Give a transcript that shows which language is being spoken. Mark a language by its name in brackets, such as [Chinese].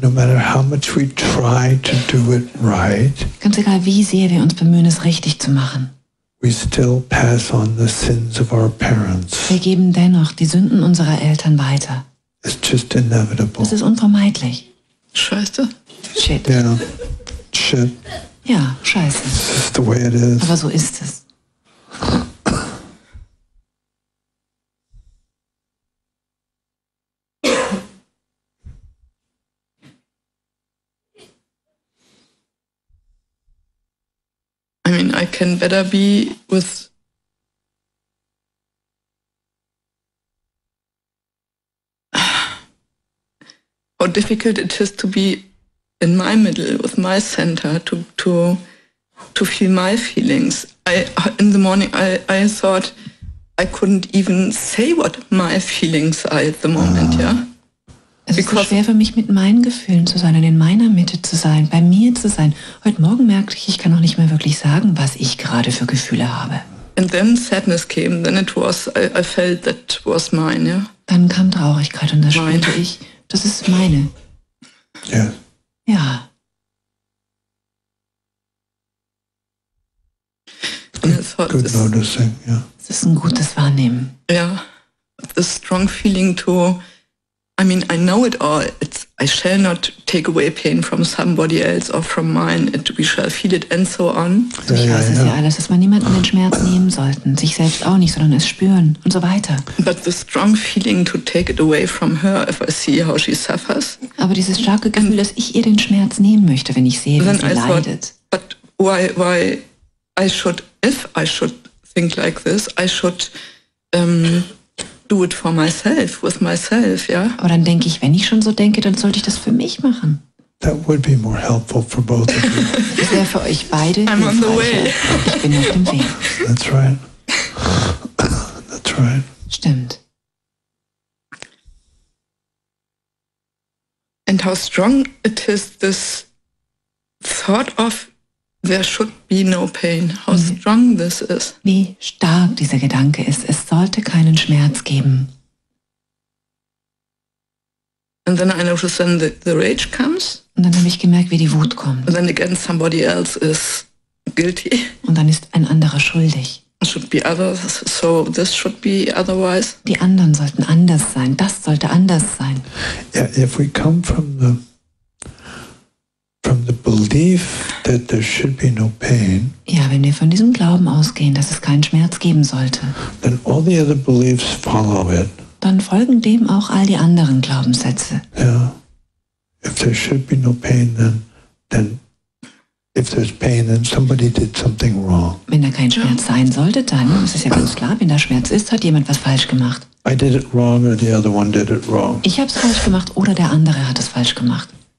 [English] No matter how much we try to do it right. [German] Ganz egal, wie sehr wir uns bemühen, es richtig zu machen. [English] We still pass on the sins of our parents. [German] Wir geben dennoch die Sünden unserer Eltern weiter. [English] It's just inevitable. [German] Das ist unvermeidlich. Scheiße. [English] Shit. Yeah. Shit. [German] Ja, scheiße. [English] This is the way it is. [German] Aber so ist es. [English] I mean, I can better be with how difficult it is to be in my middle, with my center, to feel my feelings. In the morning, I thought I couldn't even say what my feelings are at the moment, yeah? [German] Es ist so schwer für mich, mit meinen Gefühlen zu sein und in meiner Mitte zu sein, bei mir zu sein. Heute Morgen merkte ich, ich kann auch nicht mehr wirklich sagen, was ich gerade für Gefühle habe. [English] And then sadness came, then it was, I felt that was mine, yeah? [German] Dann kam Traurigkeit und das spürte ich, das ist meine. Ja. Yeah. Ja. [English] Good noticing, yeah. [German] Es ist ein gutes Wahrnehmen. Ja. Yeah. [English] The strong feeling to, I mean, I know it all. It's, I shall not take away pain from somebody else or from mine. It, we shall feel it and so on. [German] Ja, ich weiß es ja alles, dass man niemanden den Schmerz nehmen sollten. Sich selbst auch nicht, sondern es spüren und so weiter. [English] But the strong feeling to take it away from her if I see how she suffers. [German] Aber dieses starke Gefühl, dass ich ihr den Schmerz nehmen möchte, wenn ich sehe, wie sie leidet. [English] Thought, but why I should, if I should think like this, I should do it for myself, with myself, yeah? [German] Aber dann denke ich, wenn ich schon so denke, dann sollte ich das für mich machen. [English] That would be more helpful for both of you. [German] Das wäre für euch beide hilfreicher. [English] I'm on the way. [German] Ich bin auf dem Weg. [English] That's right. That's right. [German] Stimmt. [English] And how strong it is, this thought of there should be no pain. How strong this is. [German] Wie stark dieser Gedanke ist. Es sollte keinen Schmerz geben. [English] And then I noticed then the rage comes. [German] Und dann habe ich gemerkt, wie die Wut kommt. [English] And then again somebody else is guilty. [German] Und dann ist ein anderer schuldig. [English] Should be others, so this should be otherwise. [German] Die anderen sollten anders sein. Das sollte anders sein. [English] Yeah, if we come from the belief that there should be no pain. [German] Ja, wenn wir von diesem Glauben ausgehen, dass es keinen Schmerz geben sollte. [English] Then all the other beliefs follow it. [German] Dann folgen dem auch all die anderen Glaubenssätze. [English] Yeah. If there should be no pain, then if there's pain, then somebody did something wrong. [German] Wenn da kein Schmerz sein sollte, dann ist es ja ganz klar, wenn da Schmerz ist, hat jemand was falsch gemacht. [English] I did it wrong or the other one did it wrong. [German] Ich habe es falsch gemacht oder der andere hat es falsch gemacht.